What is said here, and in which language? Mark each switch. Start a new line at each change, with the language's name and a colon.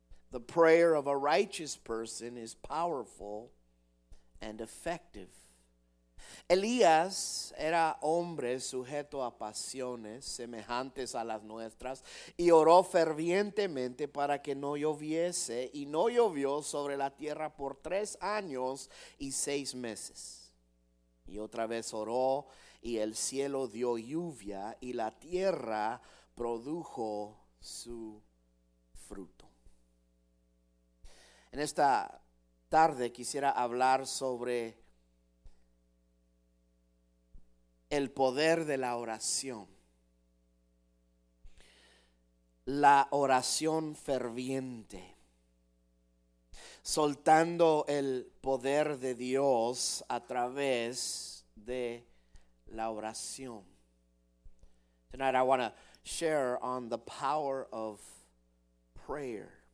English: The prayer of a righteous person is powerful and effective.
Spanish: Elías era hombre sujeto a pasiones semejantes a las nuestras y oró fervientemente para que no lloviese y no llovió sobre la tierra por 3 años y 6 meses. Y otra vez oró y el cielo dio lluvia y la tierra produjo su fruto. En esta tarde quisiera hablar sobre el poder de la oración. La oración ferviente. Soltando el poder de Dios a través de la oración.
English: Tonight I want to share on the power of prayer.